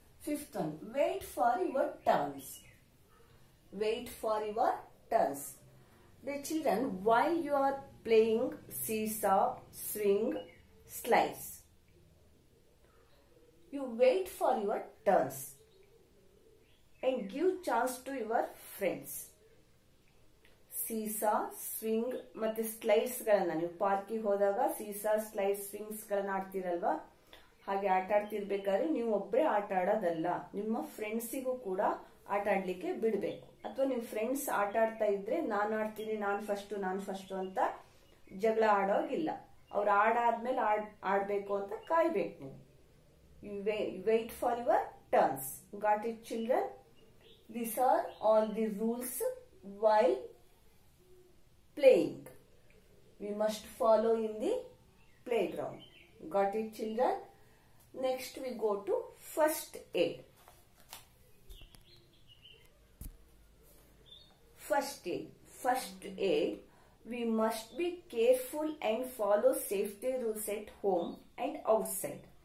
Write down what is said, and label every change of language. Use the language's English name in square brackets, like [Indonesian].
[English] Fifth one, wait for your turns. Wait for your turns. The children, while you are playing seesaw, swing, slice, you wait for your turns and give chance to your friends. [Kannada] ಸೀಸಾ swing ಮತ್ತೆ slides ಗಳನ್ನ ನೀವು ಪಾರ್ಕಿಗೆ ಹೋದಾಗ ಸೀಸಾ slides swings ಗಳನ್ನ ಆಡ್ತಿರಲ್ವಾ, ಹಾಗೆ ಆಟ ಆಡ್ತಿರ್ಬೇಕಾದ್ರೆ ನೀವು ಒಬ್ಬರೇ ಆಟ ಆಡೋದಲ್ಲ, ನಿಮ್ಮ ಫ್ರೆಂಡ್ಸಿಗೂ ಕೂಡ ಆಟ ಆಡ್ಲಿಕ್ಕೆ ಬಿಡಬೇಕು. ಅಥವಾ ನಿಮ್ಮ ಫ್ರೆಂಡ್ಸ್ ಆಟ ಆಡ್ತಾ ಇದ್ರೆ ನಾನು ಆಡ್ತೀನಿ ನಾನು ಫಸ್ಟು ಅಂತ ಜಗಳ ಆಡೋಗಿಲ್ಲ, ಅವ್ರು ಆಡಾದ್ಮೇಲೆ ಆಡ್ಬೇಕು ಅಂತ ಕಾಯ್ಬೇಕು ನೀವು. [English] You wait for your turns. Got it children? This are all the rules while playing. We must follow in the playground. Got it, children? Next, we go to first aid. First aid. We must be careful and follow safety rules at home and outside.